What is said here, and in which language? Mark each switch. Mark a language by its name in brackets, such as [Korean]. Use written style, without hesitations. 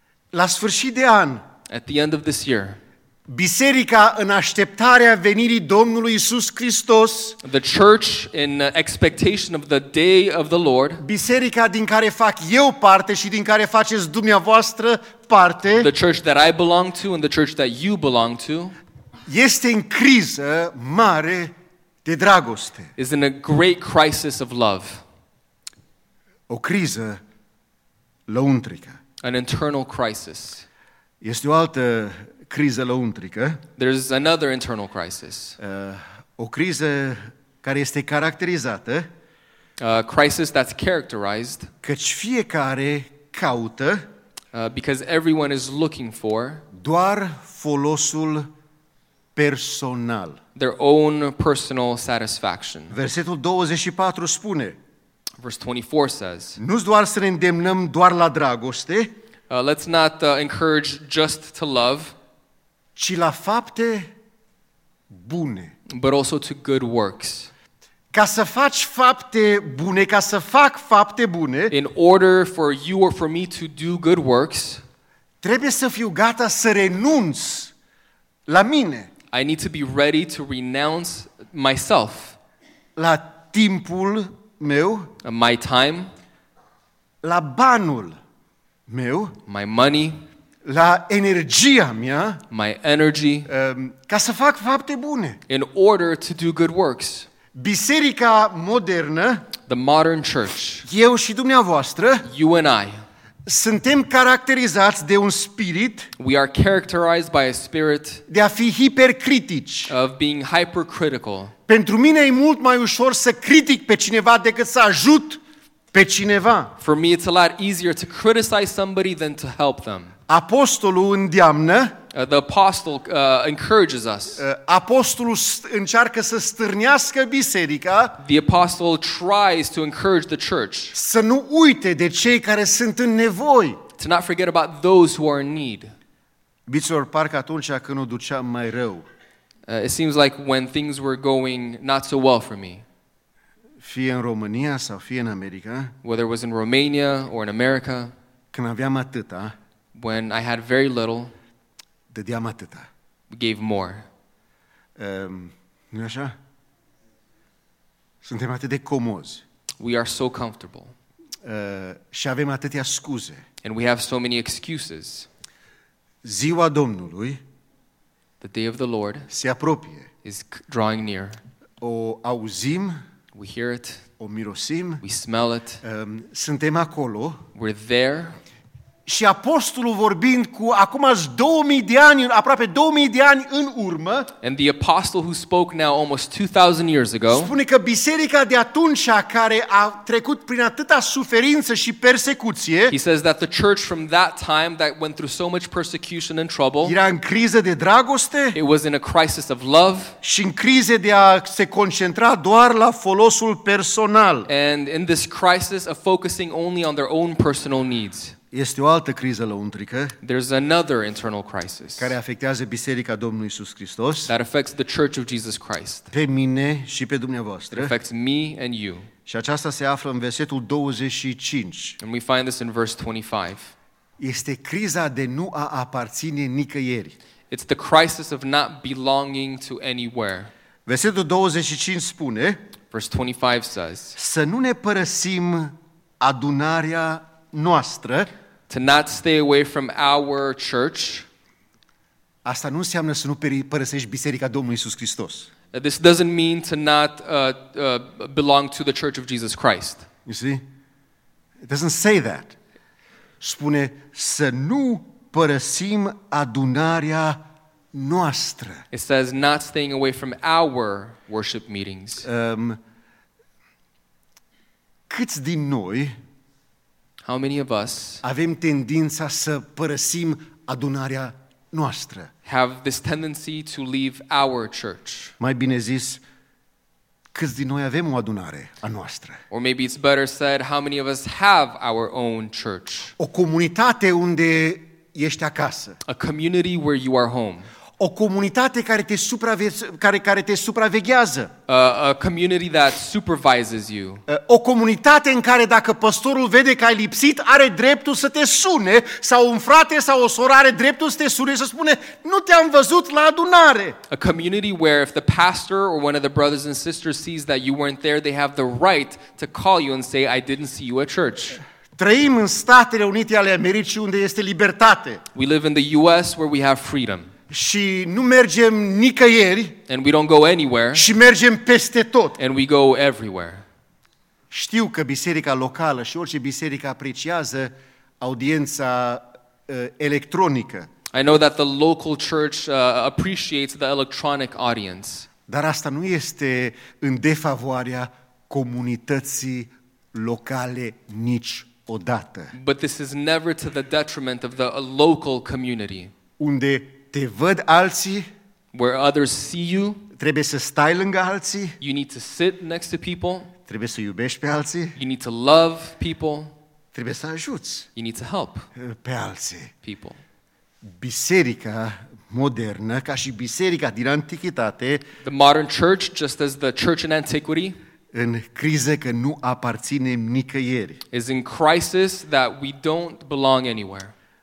[Romanian] La sfârșit de an. [English] At the end of this year. [Romanian] Biserica în așteptarea venirii Domnului Iisus Hristos. [English] The church in expectation of the day of the Lord. [Romanian] Biserica din care fac eu parte și din care faceți dumneavoastră parte. [English] The church that I belong to and the church that you belong to. [Romanian] Este în criză mare de dragoste. [English] Is in a great crisis of love. [Romanian] O criză lăuntrică. [English] An internal crisis. [Romanian] Este o altă criză lăuntrică. [English] There's another internal crisis. [Romanian] O criză care este caracterizată. [English] A crisis that's characterized. [Romanian] Căci fiecare caută. [English] Because everyone is looking for. [Romanian] Doar folosul personal. [English] Their own personal satisfaction. [Romanian] Versetul 24 spune. [English] Verse 24 says. [Romanian] Nu-s doar să ne îndemnăm doar la dragoste. [English] Let's not encourage just to love. [Romanian] Ci la fapte bune. [English] But also to good works. [Romanian] Ca să faci fapte bune, ca să fac fapte bune. [English] In order for you or for me to do good works. [Romanian] Trebuie să fiu gata să renunț la mine. [English] I need to be ready to renounce myself. [Romanian] La timpul meu. [English] My time. [Romanian] La banul meu. [English] My money. [Romanian] La energia mea, [English] my energy, [Romanian] ca să fac fapte bune. [English] In order to do good works. [Romanian] Biserica modernă, [English] the modern church, [Romanian] eu și dumneavoastră, [English] you and I, [Romanian] suntem caracterizați de un spirit, [English] we are characterized by a spirit, [Romanian] de a fi hipercritici, [English] of being hypercritical. [Romanian] Pentru mine e mult mai ușor să critic pe cineva decât să ajut pe cineva. [English] For me it's a lot easier to criticize somebody than to help them. [Romanian] Apostolul îndeamnă. [English] The apostle encourages us. [Romanian] Apostolul încearcă să stârnească biserica. [English] The apostle tries to encourage the church. [Romanian] Să nu uite de cei care sunt în nevoi. [English] To not forget about those who are in need. [Romanian] Bitor parcă atunci când o duceam mai rău. [English] It seems like when things were going not so well for me. [Romanian] Fie în România sau fie în America. [English] Whether it was in Romania or in America. [Romanian] Când aveam atâta. [English] When I had very little, [Romanian] dădeam atâta. [English] Gave more. [Romanian] Nu-i așa? Suntem atât de comozi. [English] We are so comfortable. [Romanian] Și avem atâtea scuze. [English] And we have so many excuses. [Romanian] Ziua Domnului, [English] the day of the Lord, [Romanian] se apropie. [English] Is drawing near. [Romanian] O auzim. [English] We hear it. [Romanian] O mirosim. [English] We smell it. [Romanian] Suntem acolo. [English] We're there. [Romanian] Și apostolul vorbind cu acum 2000 de ani, aproape 2000 de ani în urmă. [English] And the apostle who spoke now almost 2000 years ago. [Romanian] Spune că biserica de atunci care a trecut prin atâta suferință și persecuție. [English] He says that the church from that time that went through so much persecution and trouble. [Romanian] Era în criză de dragoste. [English] It was in a crisis of love. [Romanian] Și în criză de a se concentra doar la folosul personal. [English] And in this crisis of focusing only on their own personal needs. [Romanian] Este o altă criză lăuntrică. [English] There's another internal crisis. [Romanian] Care afectează biserica Domnului Iisus Hristos. [English] That affects the Church of Jesus Christ. [Romanian] Pe mine și pe dumneavoastră. [English] It affects me and you. [Romanian] Și aceasta se află în versetul 25. [English] And we find this in verse 25. [Romanian] Este criza de nu a aparține nicăieri. [English] It's the crisis of not belonging to anywhere. [Romanian] Versetul 25 spune. [English] Verse 25 says. [Romanian] Să nu ne părăsim adunarea noastră. [English] To not stay away from our church. [Romanian] Asta nu înseamnă să nu părăsești biserica Domnului Iisus Hristos. [English] This doesn't mean to not belong to the Church of Jesus Christ. You see? It doesn't say that. [Romanian] spune să nu părăsim adunarea noastră. [English] It says not staying away from our worship meetings. [Romanian] Câți din noi, [English] how many of us, [Romanian] avem tendința să părăsim adunarea noastră? [English] Have this tendency to leave our church. [Romanian] Mai bine zis, câți din noi avem o adunare a noastră? [English] Or maybe it's better said, how many of us have our own church? [Romanian] O comunitate unde ești acasă. [English] A community where you are home. [Romanian] O comunitate care te care te supraveghează. [English] A community that supervises you. [Romanian] O comunitate în care dacă pastorul vede că ai lipsit, are dreptul să te sune, sau un frate sau o soră are dreptul să te sune și să spune: "Nu te-am văzut la adunare." [English] A community where if the pastor or one of the brothers and sisters sees that you weren't there, they have the right to call you and say, "I didn't see you at church." [Romanian] Trăim în Statele Unite ale Americii, unde este libertate. [English] We live in the US where we have freedom. [Romanian] Și nu mergem nicăieri. [English] And we don't go anywhere. [Romanian] Și mergem peste tot. [English] And we go everywhere. [Romanian] Știu că biserica locală și orice biserică apreciază audiența electronică. [English] I know that the local church appreciates the electronic audience. [Romanian] Dar asta nu este în defavoarea comunității locale nici odată. [English] But this is never to the detriment of the local community. [Romanian] Unde te văd alții, [English] where others see you, [Romanian] trebuie să stai lângă alții, [English] you need to sit next to people, [Romanian] trebuie să iubești pe alții, [English] you need to love people, [Romanian] trebuie să ajuți, [English] you need to help [Romanian] pe alții, [English] people. [Romanian] Biserica modernă, ca și biserica din antichitate, [English] the modern church, just as the church in antiquity, [Romanian] în criză că nu aparținem nicăieri, [English] is in crisis that we don't belong anywhere.